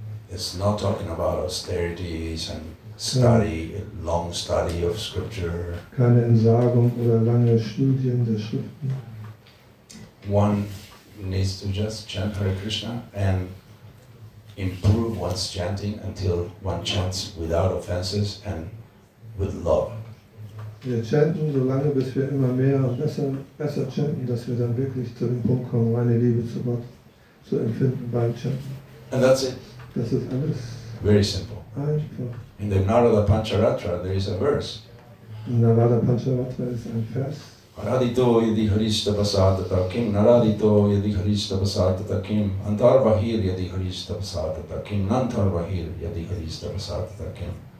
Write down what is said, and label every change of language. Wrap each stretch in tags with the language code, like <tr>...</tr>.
<en>It's not talking about austerities and study, long study of scripture.</en> <de>Keine Entsagung oder lange Studien der Schriften.</de> <en>One needs to just chant Hare Krishna and improve one's chanting until one chants without offenses and with love.</en> <de>Wir chanten so lange, bis wir immer mehr und besser chanten, dass wir dann wirklich zu dem Punkt kommen, meine Liebe zu Gott zu empfinden beim Chanten.</de> <en>And that's it.</en> <de>Das ist alles.</de> <en>Very simple.</en> <de>Einfach.</de> <en>In the Narada Pancharatra, there is a verse.</en> <de>In Narada Pancharatra ist ein Vers.</de> <sa>Naradito yadi harishta basatata kim, naradito yadi harishta basatata kim, antar bahir yadi harishta basatata kim, nantar bahir yadi harishta basatata kim.</sa>